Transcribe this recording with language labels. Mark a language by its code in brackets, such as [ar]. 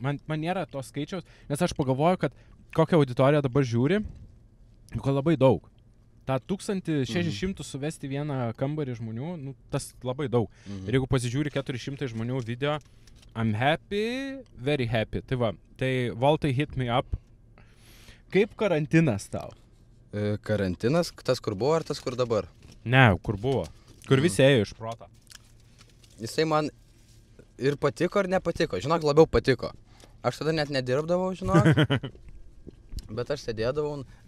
[lt] Man nėra to skaičiaus, nes aš pagalvoju, kad kokią auditoriją dabar žiūri, juk labai daug. Ta 1600 suvesti vieną kambarį žmonių, nu, tas labai daug. Mm-hmm. Ir jeigu pasižiūri 400 žmonių video, [en] I'm happy, very happy. [lt] Tai va, tai Voltai [en] hit me up. [lt] Kaip karantinas tau? Karantinas, tas kur buvo ar tas kur dabar? Ne, kur buvo. Kur visi ėjo iš proto. Jisai man ir patiko, ir nepatiko. Žinok, labiau patiko. Aš tada net nedirbdavau, žinok. Bet aš sėdėdavau.